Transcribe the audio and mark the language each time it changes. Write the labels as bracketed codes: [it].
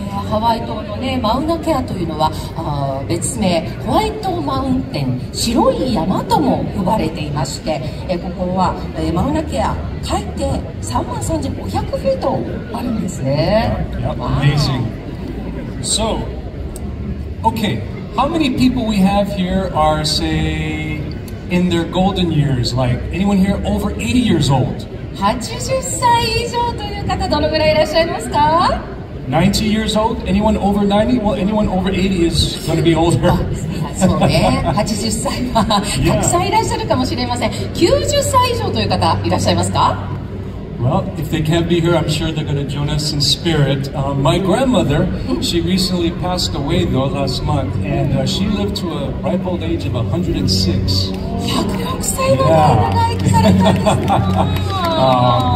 [ja] ハワイ島の、ね、マウナケアというのは別名ホワイトマウンテン白い山とも呼ばれていまして、ここは、マウナケア海底3万3500フィートあるんですね。 [en] yep, amazing. So, okay, how many people we have here are say in their golden years, like anyone here over 80 years old? [ja] 80歳以上という方どのぐらいいらっしゃいますか？ [en] 90 years old? Anyone over 90? Well, anyone over 80 is going to be older. [ja] So, 80歳はたくさんいらっしゃるかもしれません。90歳以上という方いらっしゃいますか? [en] Well, if they can't be here, I'm sure they're going to join us in spirit. My grandmother, she recently passed away though last month, and she lived to a ripe old age of 106. Yeah.